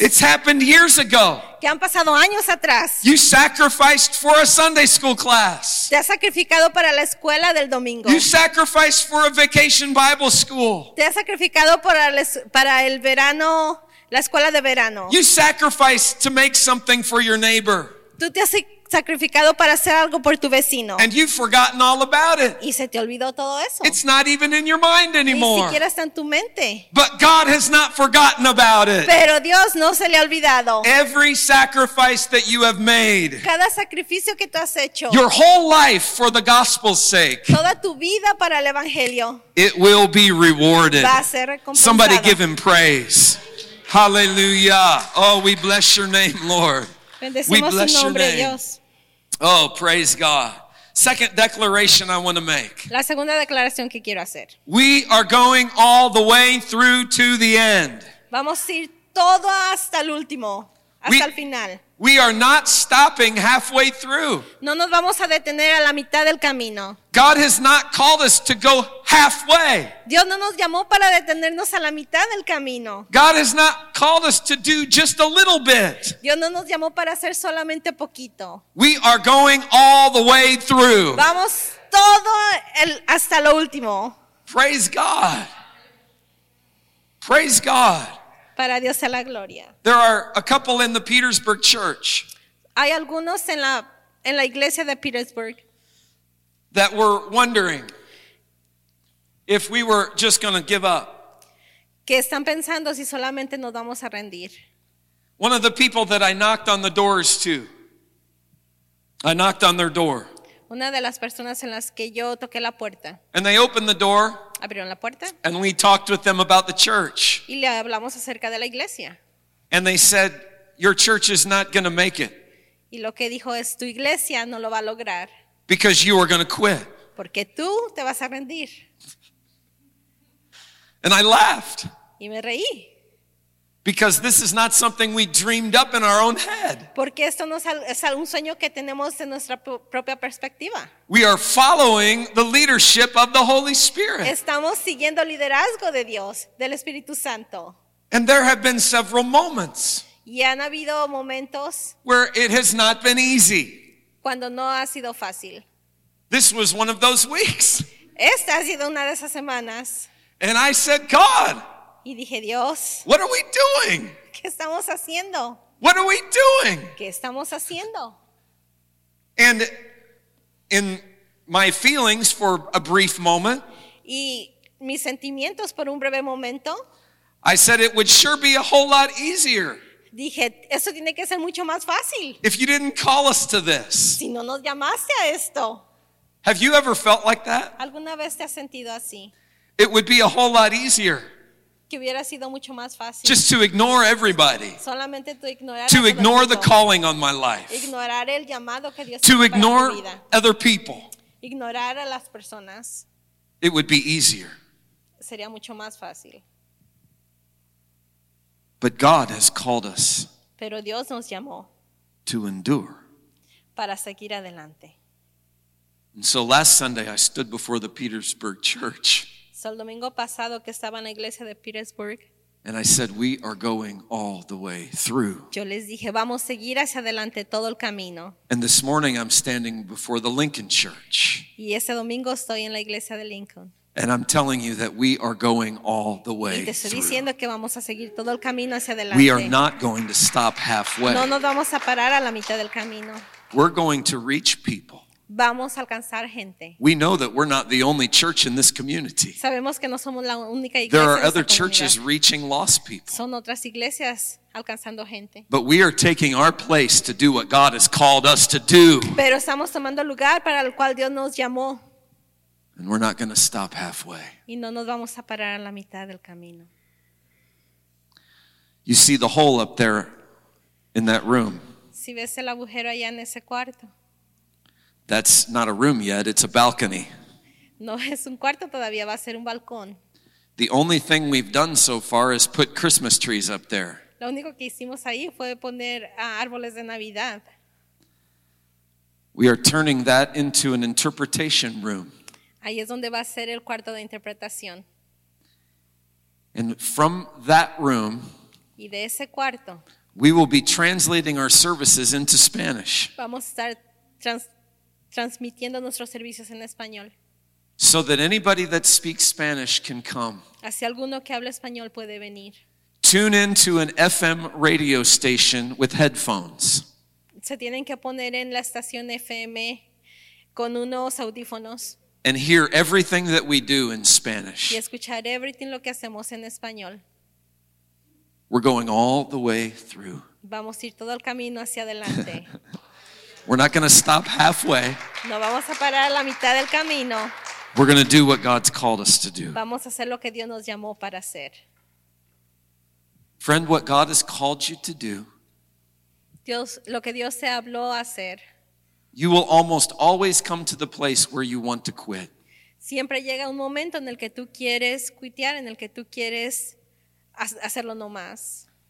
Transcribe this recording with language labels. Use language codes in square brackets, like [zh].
[en] It's happened years ago. [es] Que han pasado años atrás. [en] You sacrificed for a Sunday school class. [es] Te has sacrificado para la escuela del domingo. [en] You sacrificed for a vacation Bible school. [es] Te has sacrificado para el verano, la escuela de verano. [en] You sacrificed to make something for your neighbor. [es] tú te has sacrificado para hacer algo por tu vecino. [en] And you've forgotten all about it. [es] Y se te olvidó todo eso. [en] It's not even in your mind anymore. [es] Ni siquiera está en tu mente. [en] But God has not forgotten about it. [es] Pero Dios no se le ha olvidado. [en] Every sacrifice that you have made. [es] Cada sacrificio que tú has hecho. [en] Your whole life for the gospel's sake. [es] Toda tu vida para el evangelio. [en] It will be rewarded. [es] Va a ser recompensado. [en] Somebody give him praise. Hallelujah. Oh, we bless your name, Lord. We bless your name. Dios. Oh, praise God. Second declaration I want to make. [es] La segunda declaración que quiero hacer. [en] We are going all the way through to the end. [es] Vamos a ir todo hasta el último, hasta el final. [en] We are not stopping halfway through. [es] No nos vamos a detener a la mitad del camino. [en] God has not called us to go halfway. [es] Dios no nos llamó para detenernos a la mitad del camino. [en] God has not called us to do just a little bit. [es] Dios no nos llamó para hacer solamente poquito. [en] We are going all the way through. [es] Vamos todo hasta lo último. [en] Praise God. Praise God. [es] Para Dios sea la gloria. [en] There are a couple in the Petersburg church. [es] Hay algunos en la iglesia de Petersburg. [en] That were wondering if we were just going to give up. [es] Que están pensando si solamente nos vamos a rendir. [en] One of the people that I knocked on the doors to. I knocked on their door. [es] Una de las personas en las que yo toqué la puerta. [en] And they opened the door. [es] Abrieron la puerta. [en] And we talked with them about the church. [es] Y le hablamos acerca de la iglesia. [en] And they said, "Your church is not going to make it." [es] Y lo que dijo es, tu iglesia no lo va a lograr. [en] Because you are going to quit. [es] Porque tú te vas a rendir. [en] And I laughed. [es] Y me reí. [en] Because this is not something we dreamed up in our own head. [es] Porque esto no es un sueño que tenemos en nuestra propia perspectiva. [en] We are following the leadership of the Holy Spirit. [es] Estamos siguiendo el liderazgo de Dios, del Espíritu Santo. [en] And there have been several moments. [es] Y han habido momentos. [en] Where it has not been easy. [es] Cuando no ha sido fácil. [en] This was one of those weeks. [es] Esta ha sido una de esas semanas. [en] And I said, God. [es] Y dije, Dios, [en] what are we doing? [es] ¿Qué estamos haciendo? [en] What are we doing? [es] ¿Qué estamos haciendo? [en] And in my feelings for a brief moment, [es] y mis sentimientos por un breve momento, [en] I said it would sure be a whole lot easier. [es] Dije, eso tiene que ser mucho más fácil. [en] If you didn't call us to this. [es] Si no nos llamaste a esto. [en] Have you ever felt like that? [es] ¿Alguna vez te has sentido así? [en] It would be a whole lot easier. [es] Que hubiera sido mucho más fácil. [en] Just to ignore everybody. [es] Solamente to ignorar. [en] To ignore the calling on my life. [es] Ignorar el llamado que Dios [en] to ignore other people. [es] Ignorar a las personas. [en] It would be easier. [es] Sería mucho más fácil. [en] But God has called us. [es] Pero Dios nos llamó. [en] To endure. [es] Para seguir adelante. [en] And so last Sunday I stood before the Petersburg church. [es] El domingo pasado que estaba en la iglesia de Petersburg. [en] And I said, we are going all the way through. [es] Yo les dije, vamos a seguir hacia adelante todo el camino. [en] And this morning I'm standing before the Lincoln Church. [es] Y ese domingo estoy en la iglesia de Lincoln. [en] And I'm telling you that we are going all the way. [es] Y te estoy diciendo que vamos a seguir todo el camino hacia adelante. [en] We are not going to stop halfway. [es] No nos vamos a parar a la mitad del camino. [en] We're going to reach people. [es] Vamos a alcanzar gente. [en] We know that we're not the only church in this community. [es] Sabemos que no somos la única iglesia. [en] There are other churches reaching lost people. [es] Son otras iglesias alcanzando gente. [en] But we are taking our place to do what God has called us to do. [es] Pero estamos tomando lugar para el cual Dios nos llamó. [en] And we're not going to stop halfway. [es] Y no nos vamos a parar a la mitad del camino. [en] You see the hole up there in that room. [es] Si ves el agujero allá en ese cuarto. [en] That's not a room yet, it's a balcony. [es] No es un cuarto todavía, va a ser un balcón. [en] The only thing we've done so far is put Christmas trees up there. [es] Lo único que hicimos ahí fue poner árboles de Navidad. [en] We are turning that into an interpretation room. [es] Ahí es donde va a ser el cuarto de interpretación. [en] And from that room, [es] y de ese cuarto, [en] we will be translating our services into Spanish. [es] Vamos a estar transmitiendo nuestros servicios en español. [en] So that anybody that speaks Spanish can come. [es] Así alguno que hable español puede venir. [en] Tune into an FM radio station with headphones. [es] se tienen que poner en la estación FM con unos audífonos. [en] And hear everything that we do in Spanish. [es] Y escuchar [en] everything [es] lo que hacemos en español. [en] We're going all the way through. [es] Vamos a ir todo el camino hacia adelante. [en] We're not going to stop halfway. [es] No vamos a parar a la mitad del camino. [en] We're going to do what God's called us to do. [es] Vamos a hacer lo que Dios nos llamó para hacer. [en] Friend, what God has called you to do, [es] Dios, lo que Dios te habló a hacer, [en] you will almost always come to the place where you want to quit. [es] Siempre llega un momento en el que tú quieres quitar, en el que tú quieres hacerlo no más.